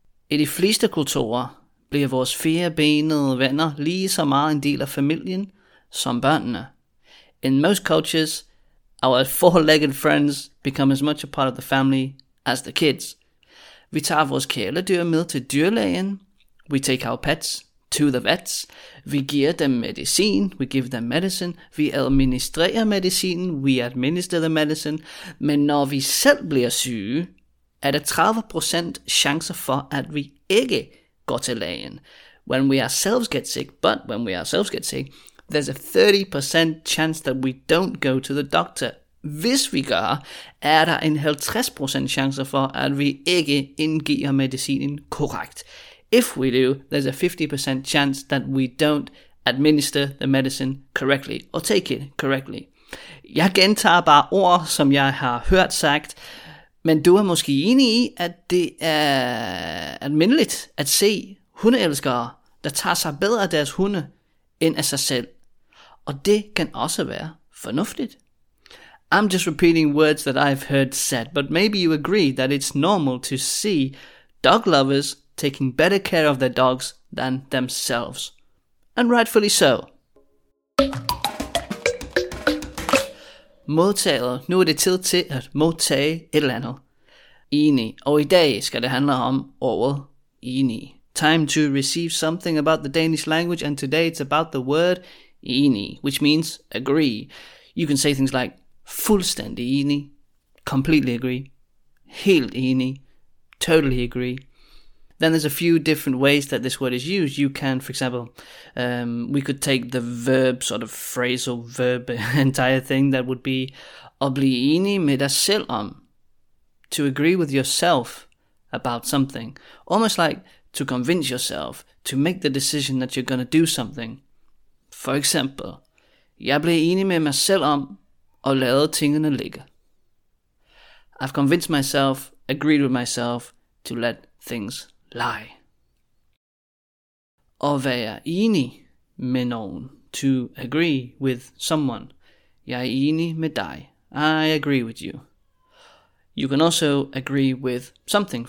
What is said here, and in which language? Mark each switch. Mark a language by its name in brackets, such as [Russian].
[Danish] I de fleste kulturer bliver vores firebenede venner lige så meget en del af familien som børnene. [English] In most cultures, our four-legged friends become as much a part of the family as the kids. [Danish] Vi tager vores kæledyr med til dyrlægen. [English] We take our pets to the vets. [Danish] Vi giver dem medicin. [English] We give them medicine. [Danish] Vi administrerer medicinen. [English] We administer the medicine. [Danish] Men når vi selv bliver syge, er der 30% chancer for, at vi ikke går til lægen. [English] When we ourselves get sick, but when we ourselves get sick, there's a 30% chance that we don't go to the doctor. [Danish] Hvis vi gør, er der en 50% chance for, at vi ikke indgiver medicinen korrekt. [English] If we do, there's a 50% chance that we don't administer the medicine correctly or take it correctly. [Danish] Jeg gentager bare ord, som jeg har hørt sagt, men du er måske enig i, at det er almindeligt at se hundeelskere, der tager sig bedre af deres hunde end af sig selv. Og det kan også være fornuftigt. [English] I'm just repeating words that I've heard said, but maybe you agree that it's normal to see dog lovers taking better care of their dogs than themselves. And rightfully so. [Danish] Modtaget. Nu er det tid til at modtage et eller andet. Enig. Og i dag skal det handle om ordet enig. [English] Time to receive something about the Danish language, and today it's about the word enig, which means agree. You can say things like [Danish] fuldstændig enig, [English] completely agree, [Danish] helt enig, [English] totally agree. Then there's a few different ways that this word is used. You can, for example, we could take the verb, sort of phrasal verb, entire thing, that would be [Danish] at blive enig med dig selv om, [English] to agree with yourself about something. Almost like to convince yourself, to make the decision that you're going to do something. For example, [Danish] jeg bliver enig med mig selv om, og lade tingene ligge. [English] I've convinced myself, agreed with myself, to let things lie. [Danish] At være enig med nogen, [English] to agree with someone. [Danish] Jeg er enig med dig. [English] I agree with you. You can also agree with something.